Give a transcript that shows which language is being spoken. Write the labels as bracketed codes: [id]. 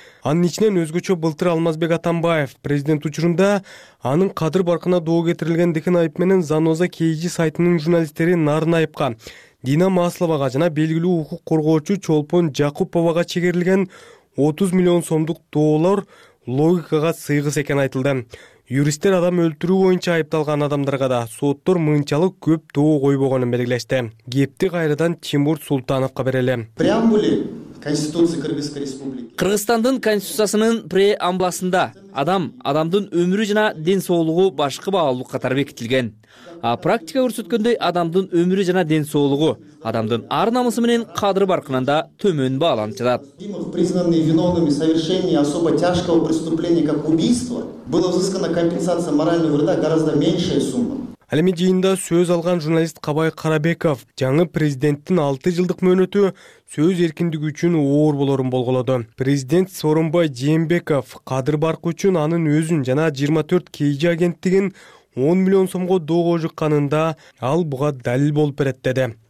[ky] Анын ичинен өзгөчө былтыр Алмазбек Атамбаев президент учурунда анын кадыр баркына доо кетирилгендигин айып менен Заноза KG сайтынын журналисттери Нарынайыпка, Дина Масловага жана белгилүү укук коргоочу Чолпон Жакуповага чегерилген 30 миллион сомдук доолор логикага сыйгыс экени айтылды. юристтер адам өлтүрүү боюнча айыпталган адамдарга да соттор мынчалык көп тоо койбогонун белгилешти. Кепти кайрадан Тимур Султановко берели. [ru] Преамбуле Конституции Кыргызской Республики. [ky] Кыргызстандын конституциясынын преамбуласында адам адамдын өмүрү жана ден соолугу башкы баалуу катары бекитилген. А практика көрсөткөндөй адамдын өмүрү жана ден соолугу адамдын ар намысы менен кадыры баркынан да төмөн бааланып жатат. [ru] Тимур признаны виновными в совершении особо тяжкого преступления, как убийство, была взыскана компенсация морального вреда гораздо меньшая сумма. [ky] Ал эми жыйында сөз алган журналист Кабай Карабеков жаңы президенттин 6 жылдык мөөнөтү сөз эркиндиги үчүн оор болорун болголоду. Президент Сооронбай Жээнбеков кадыр баркы үчүн анын өзүн жана 24 KG агенттигин 10 миллион сомго доого жыкканында ал буга далил болуп берет деди.